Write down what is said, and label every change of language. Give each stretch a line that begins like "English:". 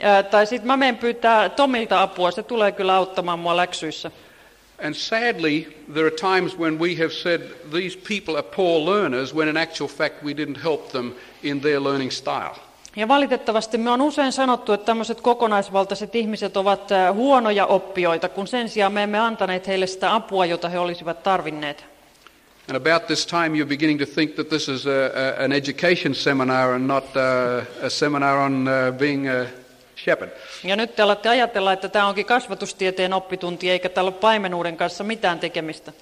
Finnish: Tai sitten mä menen pyytää Tomilta apua, se tulee kyllä auttamaan mua läksyissä.
English: And sadly, there are times when we have said these people are poor learners, when in actual fact we didn't help them in their learning style.
Finnish: Ja valitettavasti me on usein sanottu, että tämmöiset kokonaisvaltaiset ihmiset ovat huonoja oppijoita, kun sen sijaan me emme antaneet heille sitä apua, jota he olisivat tarvinneet.
English: And about this time you're beginning to think that this is an education seminar and not a seminar on being a shepherd.
Finnish: Ja nyt te alatte ajatella, että tämä onkin kasvatustieteen oppitunti, eikä täällä ole paimenuuden kanssa mitään tekemistä.